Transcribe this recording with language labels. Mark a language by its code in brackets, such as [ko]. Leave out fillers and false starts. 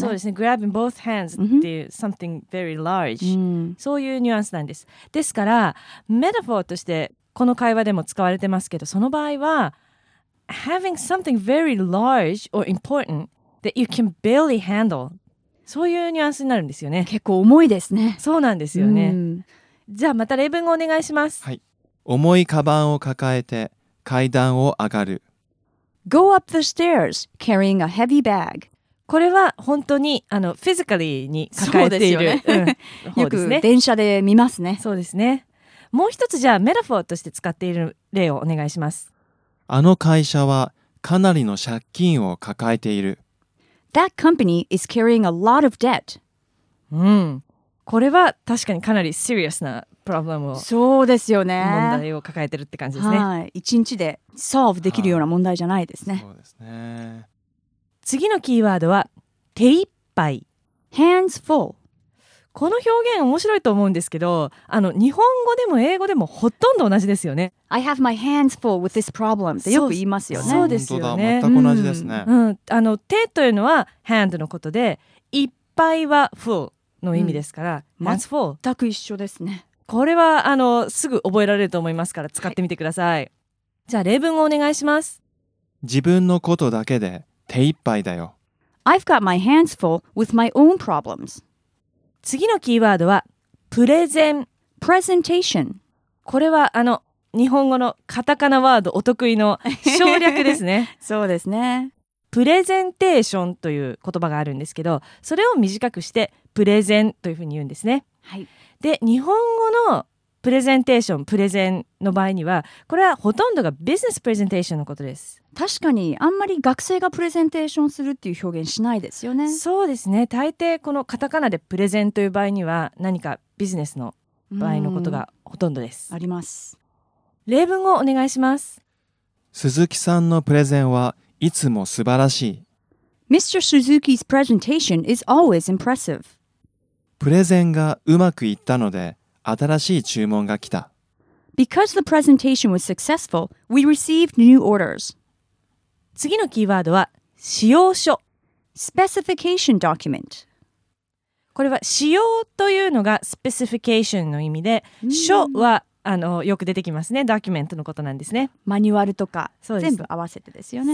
[ja] そうですねグラブ [en] in both hands [ja] っていう [en] something very large、 [ja] うん、そういうニュアンスなんですですからメタフォーとしてこの会話でも使われてますけどその場合は [en] having something very large or important that you can barely handle [ja] そういうニュアンスになるんですよね結構重いですねそうなんですよね、うん、じゃあまた例文をお願いしますはい重いカバンを抱えて階段を上がる [en] Go up the stairs carrying a heavy bag [ja] これは本当にあのフィジカリーに抱えているよく電車で見ますねそうですねもう一つじゃあメタフォーとして使っている例をお願いしますあの会社はかなりの借金を抱えている [en] That company is carrying a lot of debt [ja] うん、これは確かにかなりシリアスなプロブレムをそうですよね問題を抱えてるって感じですね、はい、一日でソーブできるような問題じゃないですね、はい、そうですね次のキーワードは手一杯 [en] Hands full [ja] この表現面白いと思うんですけどあの日本語でも英語でもほとんど同じですよね [en] I have my hands full with this problem [ja] ってよく言いますよねそうですよね本当だ全く同じですね、うんうん、あの手というのは hand のことでいっぱいは full の意味ですから、うん、hands full 全く一緒ですねこれはあのすぐ覚えられると思いますから使ってみてください、はい、じゃあ例文をお願いします自分のことだけで手一杯だよ [en] I've got my hands full with my own problems [ja] 次のキーワードはプレゼン [en] Presentation [ja] これはあの日本語のカタカナワードお得意の省略ですねそうですねプレゼンテーションという言葉があるんですけどそれを短くしてプレゼンというふうに言うんですねはいで日本語のプレゼンテーションプレゼンの場合にはこれはほとんどがビジネスプレゼンテーションのことです確かにあんまり学生がプレゼンテーションするっていう表現しないですよねそうですね大抵このカタカナでプレゼンという場合には何かビジネスの場合のことがほとんどですあります例文をお願いします鈴木さんのプレゼンはいつも素晴らしい [en] Mr. Suzuki's presentation is always impressive [ja] プレゼンがうまくいったので、新しい注文が来た。 [en] Because the presentation was successful, we received new orders. [ja] 次のキーワードは、仕様書。 [en] Specification document. [ja] これは、仕様というのが specification の意味で、書はあのよく出てきますね。ドキュメントのことなんですね。マニュアルとか、全部合わせてですよね。